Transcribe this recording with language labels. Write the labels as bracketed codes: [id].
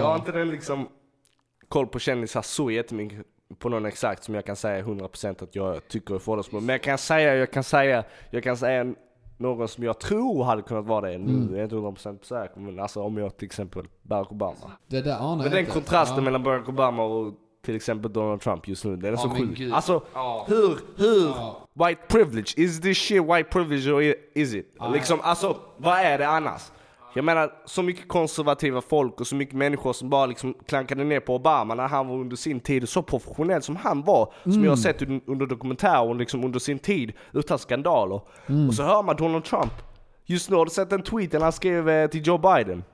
[sv] Jag har inte den liksom koll på kändisar så jättemycket på någon exakt som jag kan säga 100% att jag tycker är fördomsfri. Men jag kan säga någon som jag tror hade kunnat vara det. Nu är jag inte 100% säker, men alltså om jag till exempel Barack Obama. Det där anar jag. Men den kontrasten mellan Barack Obama och till exempel Donald Trump just nu, den är så sjuk. Alltså, hur? [en] White privilege? Is this shit white privilege or is it? [sv] Liksom, alltså, vad är det annars? Jag menar, så mycket konservativa folk och så mycket människor som bara liksom klankade ner på Obama när han var under sin tid så professionell som han var, som jag har sett under dokumentär och liksom under sin tid utan skandaler. Mm. Och så hör man Donald Trump. Just nu har du sett en tweet han skrev till Joe Biden.